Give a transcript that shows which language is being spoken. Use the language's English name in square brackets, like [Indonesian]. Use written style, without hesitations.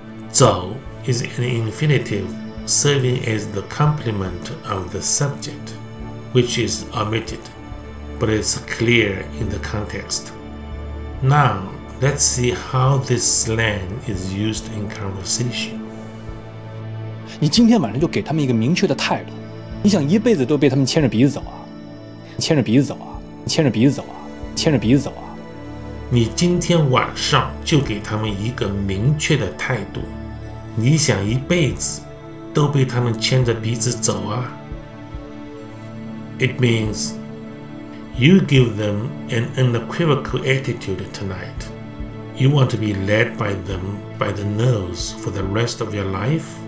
[English] 走 is an infinitive serving as the complement of the subject, which is omitted, but it's clear in the context. Now, let's see how this slang is used in conversation. [Chinese] 你今天晚上就给他们一个明确的态度，你想一辈子都被他们牵着鼻子走啊，牵着鼻子走啊，牵着鼻子走啊，牵着鼻子走啊。你今天晚上就给他们一个明确的态度，你想一辈子都被他们牵着鼻子走啊。 [English] It means you give them an unequivocal attitude tonight. You want to be led by them by the nose for the rest of your life?